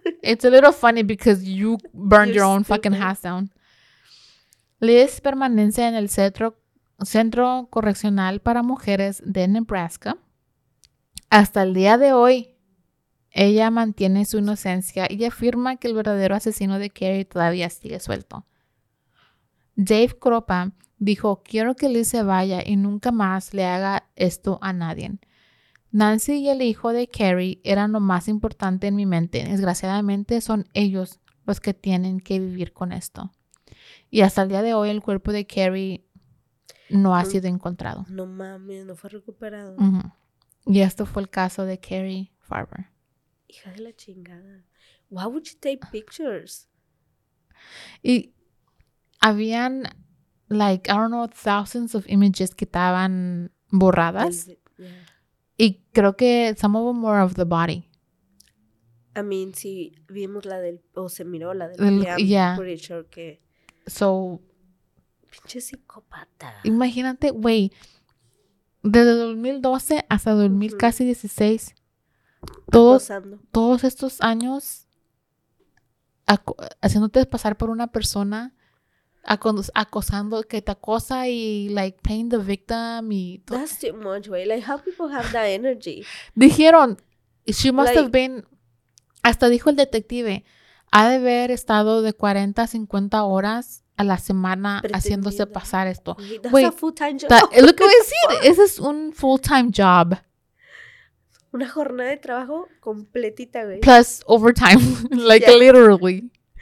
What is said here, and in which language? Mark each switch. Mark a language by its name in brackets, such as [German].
[English] It's a little funny because you burned your own fucking house down. [Spanish] Liz permanece en el centro correccional para mujeres de Nebraska. Hasta el día de hoy, ella mantiene su inocencia y afirma que el verdadero asesino de Carrie todavía sigue suelto. Dave Cropa dijo, quiero que Liz se vaya y nunca más le haga esto a nadie. Nancy y el hijo de Carrie eran lo más importante en mi mente. Desgraciadamente son ellos los que tienen que vivir con esto. Y hasta el día de hoy el cuerpo de Carrie no ha sido encontrado. No mames, no fue recuperado. Uh-huh. Y esto fue el caso de Carrie Farber. Hija de la chingada. [English] Why would you take pictures? [Spanish] Y habían, [English] like, I don't know, thousands of images [Spanish] que estaban borradas. [English] Yeah. [Spanish] Y creo que [English] some of them were of the body. I mean, [Spanish] si vimos la del, o se miró la del Liam, [English] yeah. Pretty sure [Spanish] que... [English] So... [Spanish] Pinche psicópata. Imagínate, güey, desde 2012 hasta 2016, todos estos años haciéndote pasar por una persona, acosando, que te acosa y, like, [English] playing the victim [Spanish] y... [English] That's too much, güey. Like, how people have that energy? Dijeron, she must, like, have been... [Spanish] Hasta dijo el detective, ha de haber estado de 40 a 50 horas a la semana haciéndose pasar esto. [English] That's a full-time job. [Spanish] Es lo que voy a decir. Ese es un full-time job. Una jornada de trabajo completita, güey. [English] Plus overtime. Like, yeah. Literally.